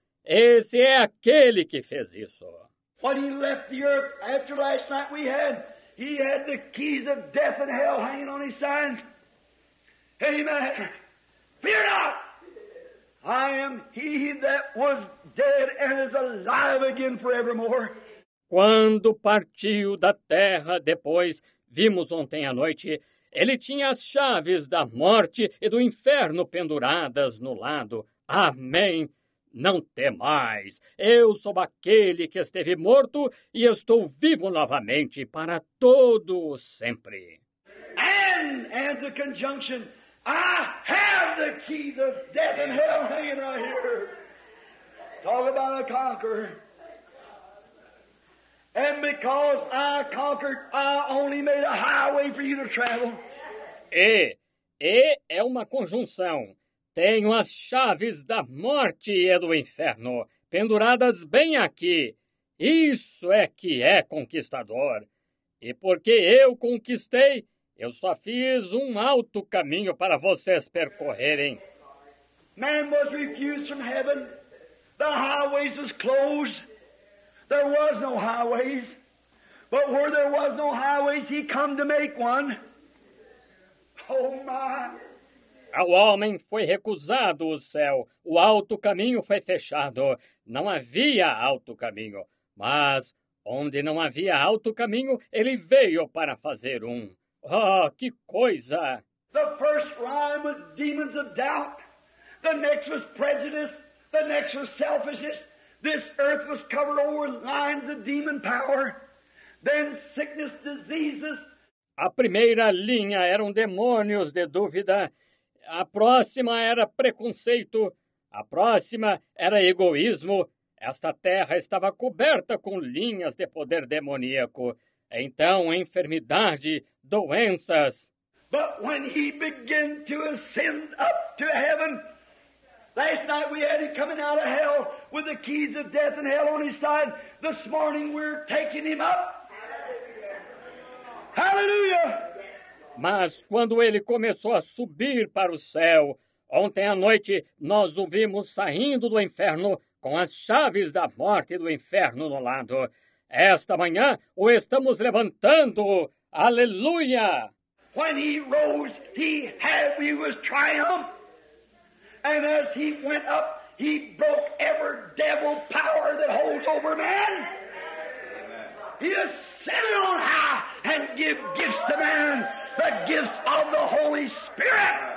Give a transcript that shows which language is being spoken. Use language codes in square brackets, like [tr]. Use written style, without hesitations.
[pt] Esse é aquele que fez isso. [en] When he left the earth after last night we had, he had the keys of death and hell hanging on his side. Amen. Fear not. I am he that was dead and is alive again forevermore. [pt] Quando partiu da terra depois, vimos ontem à noite, ele tinha as chaves da morte e do inferno penduradas no lado. Amém. Não temais. Eu sou aquele que esteve morto e estou vivo novamente para todo o sempre. [en] And the conjunction, I have the keys of death and hell hanging out here. Talk about a conqueror. And because I conquered, I only made a highway for you to travel. [pt] E é uma conjunção. Tenho as chaves da morte e do inferno penduradas bem aqui. Isso é que é conquistador. E porque eu conquistei, eu só fiz um alto caminho para vocês percorrerem. [en] Man was refused from heaven. The highways was closed. There was no highways, but where there was no highways, he come to make one. Oh, my. [pt] Ao homem foi recusado o céu, o alto caminho foi fechado. Não havia alto caminho, mas onde não havia alto caminho, ele veio para fazer um. Oh, que coisa! [en] The first rhyme was demons of doubt, the next was prejudice, the next was selfishness. This earth was covered over with lines of demon power, then sickness, diseases. [pt] A primeira linha eram demônios de dúvida, a próxima era preconceito, a próxima era egoísmo. Esta terra estava coberta com linhas de poder demoníaco, então enfermidade, doenças. [en] But when he began to ascend up to heaven, last night we had him coming out of hell with the keys of death and hell on his side. This morning we're taking him up. Hallelujah! [pt] Mas quando ele começou a subir para o céu, ontem à noite nós o vimos saindo do inferno com as chaves da morte e do inferno no lado. Esta manhã o estamos levantando. Aleluia! [en] When he rose, he was triumphant. And as he went up, he broke every devil power that holds over man. He ascended on high and gave gifts to man, the gifts of the Holy Spirit.